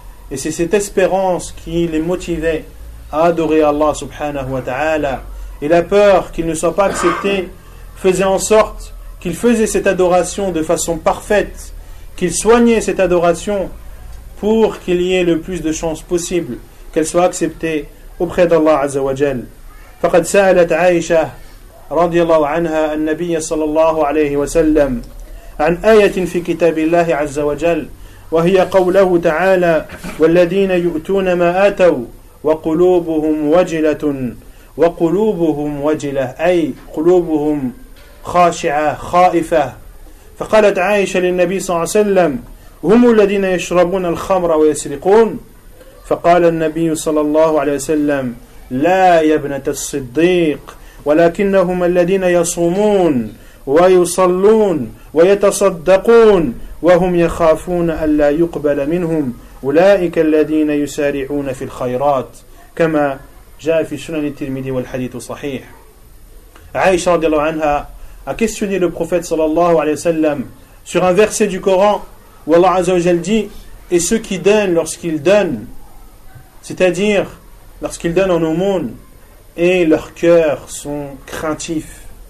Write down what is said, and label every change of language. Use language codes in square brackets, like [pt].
[fr] Et c'est cette espérance qui les motivait à adorer Allah subhanahu wa ta'ala. Et la peur qu'il ne soit pas accepté faisait en sorte qu'il faisait cette adoration de façon parfaite, qu'il soignait cette adoration pour qu'il y ait le plus de chances possible qu'elle soit acceptée auprès d'Allah Azza wa Jal. [ar] فقد سألت عائشة رضي الله عنها النبي صلى الله عليه وسلم عن آية في كتاب الله عز وجل وهي قوله تعالى والذين يؤتون ما آتوا وقلوبهم وجلة وقلوبهم وجلة أي قلوبهم خاشعة خائفة فقالت عائشة للنبي صلى الله عليه وسلم هم الذين يشربون الخمر ويسرقون فقال النبي صلى الله عليه وسلم لا يا ابنة الصديق ولكنهم الذين يصومون ويصلون ويتصدقون وهم يخافون ألا يقبل منهم أولئك الذين يسارعون في الخيرات كما جاء في سنن الترمذي والحديث صحيح. [fr] عائشة رضي الله عنها a questionné le prophète sallallahu alayhi wa sallam sur un verset du Coran où Allah Azza wa Jal dit: et ceux qui donnent lorsqu'ils donnent, c'est-à-dire lorsqu'ils donnent en aumône, et leurs cœurs sont craintifs.